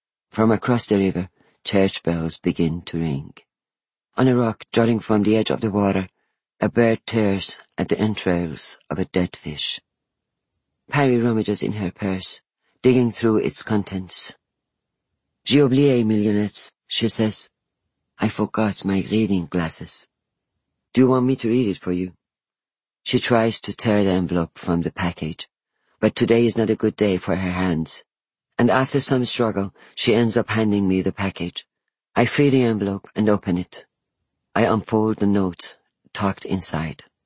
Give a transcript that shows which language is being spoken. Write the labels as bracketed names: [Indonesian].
[English] From across the river, church bells begin to ring. On a rock jutting from the edge of the water, a bird tears at the entrails of a dead fish. Parry rummages in her purse, digging through its contents. [French] J'ai oublié mes lunettes, [English] she says. I forgot my reading glasses. Do you want me to read it for you? She tries to tear the envelope from the package, but today is not a good day for her hands. And after some struggle, she ends up handing me the package. I free the envelope and open it. I unfold the note tucked inside.